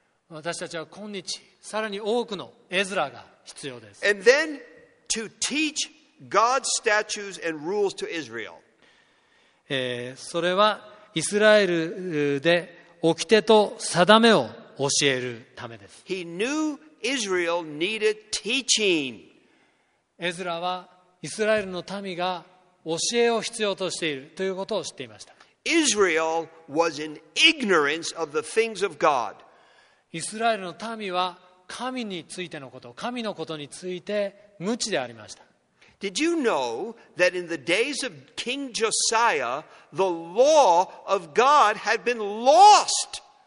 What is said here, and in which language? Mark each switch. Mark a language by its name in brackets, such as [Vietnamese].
[Japanese] 私たちは今日さらに多くのエズラが必要です。 [English] And then to teach God's statutes and rules to Israel. [Japanese] それはイスラエルで掟と定めを教えるためです。 [English] He knew Israel needed teaching. [Japanese] エズラはイスラエルの民が教えを必要としているということを知っていました。 [English] Israel was in ignorance of the things of God. [Japanese] イスラエルの民は神についてのこと、神のことについて無知でありました。 [English] Did you know that in the days of King Josiah, the law of God had been lost?